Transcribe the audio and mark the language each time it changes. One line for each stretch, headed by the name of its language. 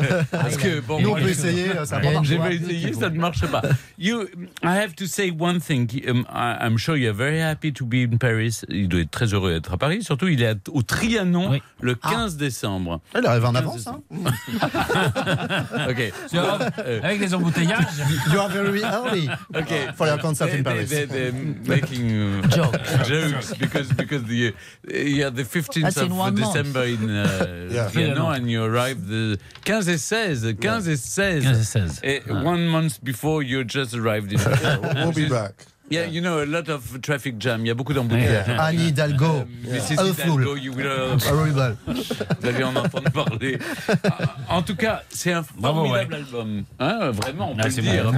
French: Parce que bon, nous on peut essayer. J'ai pas essayé, ça ne marche pas.
English: You, I have to say one thing. I'm sure you're very happy to be in Paris.
French: Il doit être très heureux d'être à Paris. Surtout, il est au Trianon le 15 décembre. Il arrive en avance.
English: Ok.
French: So, avec les embouteillages.
English: You are very early. Ok. For your concert in Paris. They're making jokes because the the 15th That's of December month. In Trianon and you arrive the 15 et 16. 15 et 16.
French: 15 et 16.
English: Et 1 month before you just arrived in we'll be back. Yeah, you know, a lot of traffic jam.
French: Il y a beaucoup d'embouteillages.
English: Yeah. Annie Hidalgo. Mrs. Hidalgo, you will have...
French: Vous allez en entendre parler. En tout cas, c'est un formidable album. Hein, vraiment, on peut le dire.